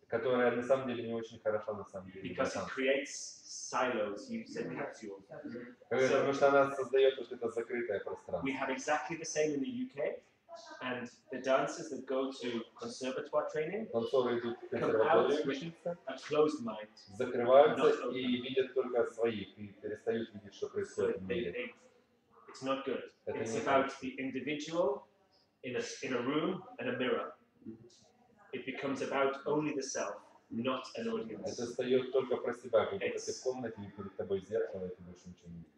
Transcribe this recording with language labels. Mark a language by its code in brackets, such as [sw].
[ru] Которая на самом деле не очень хороша на самом деле. [en] Because it creates silos, you said capsules. [ru] Потому что она создает вот это закрытое пространство. [en] We have exactly the same in the UK, and the dancers that go to conservatoire training come out with a closed mind. [ru] Закрываются и видят только своих и перестают видеть, что происходит в мире. [en] It's not good. It's about the individual in a room and a mirror. It becomes about only the self, not an audience. [ru] Это встает только про себя, когда ты в комнате и перед тобой зеркало, и ты больше ничего не видишь.